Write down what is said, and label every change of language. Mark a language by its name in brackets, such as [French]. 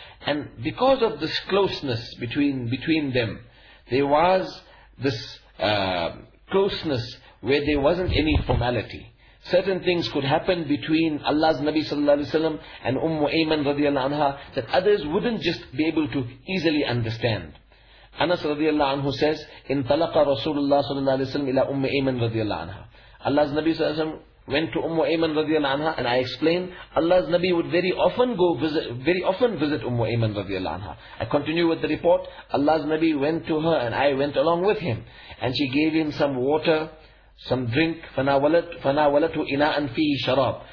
[English] And because of this closeness between them, there was this closeness where there wasn't any formality. certain things could happen between Allah's Nabi sallallahu alayhi wa sallam and Ummu Ayman radiallahu anha that others wouldn't just be able to easily understand. Anas radiallahu anhu says, [Arabic] انطلق رسول الله صلى الله عليه وسلم إلى أم أيمن رضي الله عنها. [English] Allah's Nabi sallallahu alayhi wa sallam went to Ummu Ayman radiallahu anha, and I explained, Allah's Nabi would very often visit Ummu Ayman radiallahu anha. I continue with the report, Allah's Nabi went to her and I went along with him. And she gave him some water, some drink, [Arabic] فَنَاوَلَتُ إِنَاءً فِيهِ شَرَابٍ.